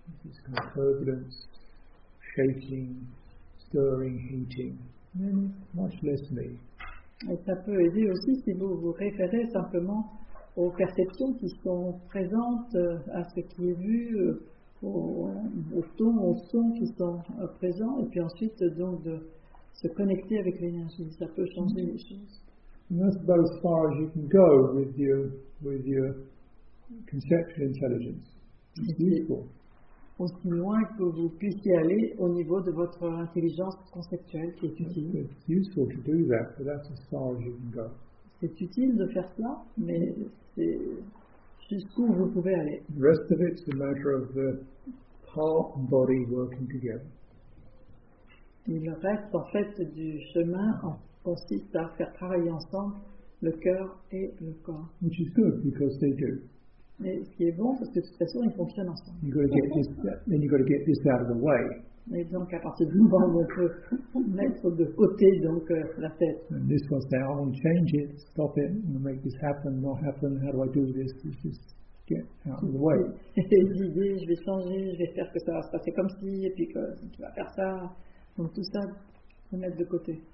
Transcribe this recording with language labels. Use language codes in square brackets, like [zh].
[en] This kind of turbulence, shaking, stirring, heating. Much less me. [fr] Et ça peut aider aussi si vous vous référez simplement aux perceptions qui sont présentes, à ce qui est vu, aux tons, aux sons qui sont présents, et puis ensuite donc de se connecter avec l'énergie. Ça peut changer les choses. [en] And that's about as far as you can go with your conceptual intelligence. [fr] Aussi loin que vous puissiez aller au niveau de votre intelligence conceptuelle qui est utile. [en] It's useful to do that, but that's as far as you can go. [fr] C'est utile de faire cela, mais c'est jusqu'où vous pouvez aller. [en] The rest of it's a matter of the heart and body working together. [fr] Et le reste, en fait, du chemin consiste à faire travailler ensemble le cœur et le corps. [en] Which is good, because they do. [fr] Mais ce qui est bon, parce que de toute façon, ils fonctionnent ensemble. [en] You've got to get this, then you've got to get this out of the way. [fr] Et donc, à partir du moment où on peut mettre de côté donc, la tête. [en] And this one's saying, I want to change it, stop it, I'm going to make this happen, not happen, how do I do this? It's just get out of the way. [fr] Et l'idée, je vais changer, je vais faire que ça va se passer comme ci, et puis que tu vas faire ça. Donc tout ça, le mettre de côté.